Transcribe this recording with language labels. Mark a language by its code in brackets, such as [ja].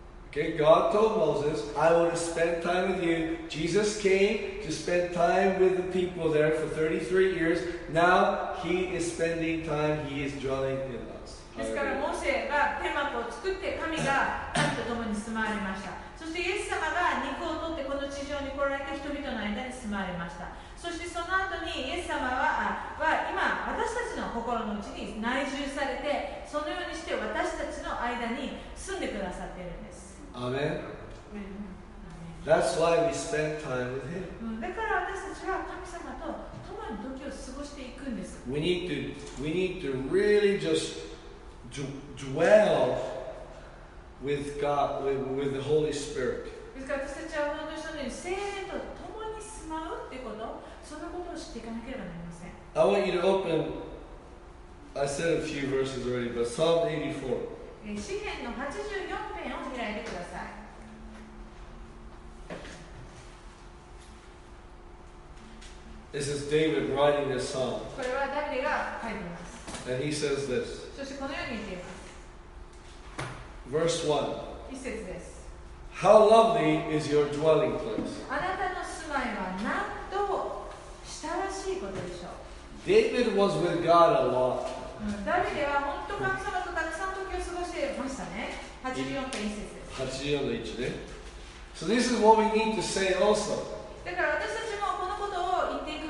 [en] Okay, God told Moses, I want to spend time with you. Jesus came to spend time with the people there for 33 years. Now he is spending time, he is dwelling in us. [ja] ですから、モーセが天幕を作って、神が様と共に住まわれました。そしてイエス様が肉を取ってこの地上に来られて人々の間に住まわれました。そしてその後にイエス様 は今私たちの心の内に内住されて、そのようにして私たちの間に住んでくださっているんです。 [en] アメン。That's why we spend time with Him. [ja] だから私たちは神様と共に時を過ごしていくんです。 [en] We need to really just dwell with God, with the Holy Spirit. [ja] ですから私たちは本当に聖霊と共に住まうってこと、そのことを知っていかなければなりません。 [en] I want you to open. I said a few verses already, but Psalm 84. [ja] 詩篇の84篇を開いてください。 [en] This is David writing this psalm. [ja] これはダビデが書いています。 [en] And he says this. [ja] そしてこのように言っています。 [en] Verse 1. [ja] 一節です。 [en] How lovely is your dwelling place. [ja] あなたの住まいはなんと親しいことでしょう。 [en] David was with God a lot. [ja] ダビデは本当に神様とたくさん時を過ごしていましたね。 84.1 節です。 84.1 ね。 [en] So this is what we need to say also. [ja] だから私たちもこのことを